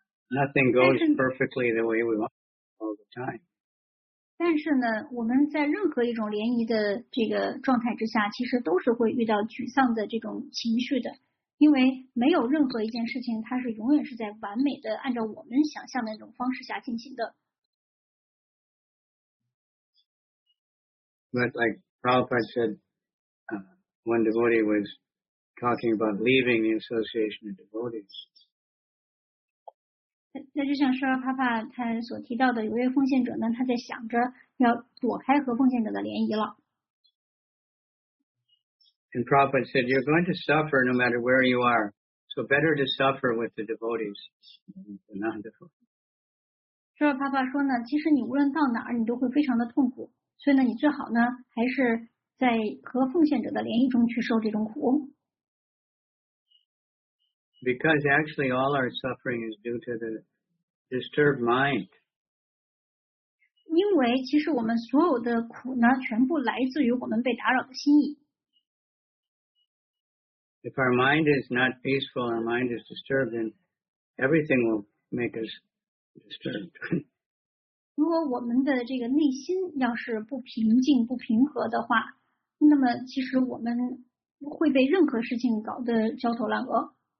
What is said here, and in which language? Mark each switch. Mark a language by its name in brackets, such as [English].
[English] Nothing goes perfectly the way we want all the time. [Chinese] 但是呢，我们在任何一种联谊的这个状态之下，其实都是会遇到沮丧的这种情绪的，因为没有任何一件事情它是永远是在完美的按照我们想象的那种方式下进行的。 [English] But like Prabhupada said, one devotee was talking about leaving the association of devotees. [Chinese] 那就像舍尔帕帕他所提到的，有位奉献者呢，他在想着要躲开和奉献者的联谊了。 [English] And Prabhupada said, "You're going to suffer no matter where you are, so better to suffer with the devotees than non-devotees." [Chinese] 舍尔帕帕说呢，其实你无论到哪儿，你都会非常的痛苦，所以呢，你最好呢，还是在和奉献者的联谊中去受这种苦。 [English] Because actually all our suffering is due to the disturbed mind. [Chinese] 因为其实我们所有的苦呢全部来自于我们被打扰的心意。 [English] If our mind is not peaceful, our mind is disturbed, then everything will make us disturbed. [Chinese] 如果我们的这个内心要是不平静不平和的话，那么其实我们会被任何事情搞得焦头烂额。